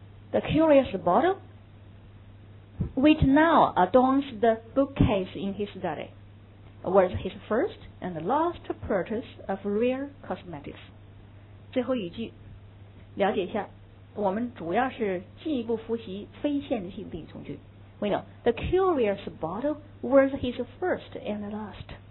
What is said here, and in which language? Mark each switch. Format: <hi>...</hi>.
<en>The curious bottle, which now adorns the bookcase in his study, was his first and last purchase of rare cosmetics.</en> <zh>最后一句，了解一下，我们主要是进一步复习非线性定语从句。</zh> <en>We know the curious bottle was his first and last.</en>